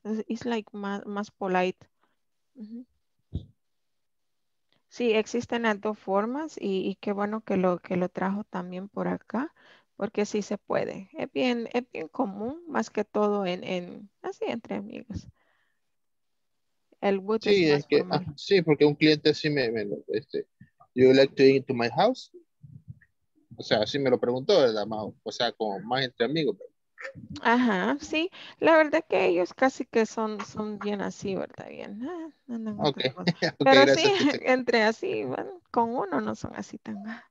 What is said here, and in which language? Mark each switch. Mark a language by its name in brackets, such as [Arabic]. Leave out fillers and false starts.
[English] It's like más polite. Mm-hmm. [Spanish] Sí, existen las dos formas y qué bueno que lo trajo también por acá, porque sí se puede. Es bien común, más que todo en así entre amigos. El would sí, es que, sí, porque un cliente así me [English] you would like to eat to my house? [Spanish] O sea, así me lo preguntó, ¿verdad, Mau? O sea, como más entre amigos. Ajá, sí. La verdad que ellos casi que son bien así, ¿verdad? Bien. Andan okay. Okay, pero sí, entre así, bueno, con uno no son así tan.